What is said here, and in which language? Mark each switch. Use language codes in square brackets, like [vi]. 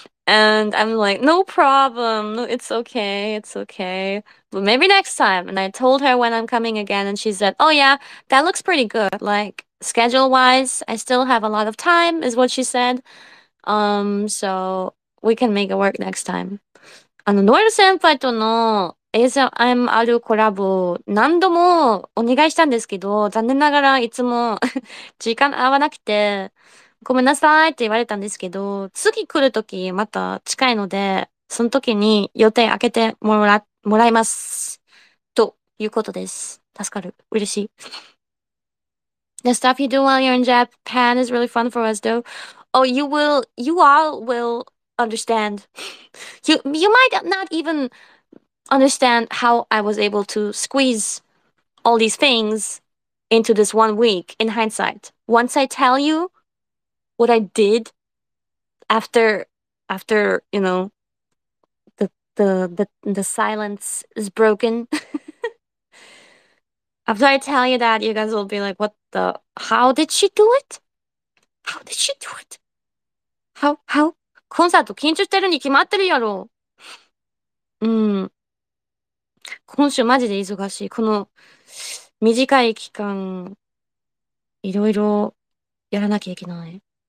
[en] And I'm like, no problem. No, it's okay. But maybe next time. And I told her when I'm coming again and she said, oh yeah, that looks pretty good. Like, schedule wise, I still have a lot of time, is what she said. So we can make it work next time. [ja] あの、ノエル先輩との ASMR コラボ何度もお願いしたんですけど、残念ながらいつも 時間合わなくて、ごめんなさいって言われたんですけど、次来るときまた近いので、その時に予定開けてもらいます。ということです。助かる。嬉しい。 [en] The stuff you do while you're in Japan is really fun for us, though. Oh, you all will understand. You might not even understand how I was able to squeeze all these things into this 1 week in hindsight. Once I tell you what I did after, you know, the silence is broken. After I tell you that, you guys will be like, what the? How did she do it? How did she do it? How? [ja] コンサート緊張してるに決まってるやろ。今週マジで忙しい。この短い期間、いろいろやらなきゃいけない。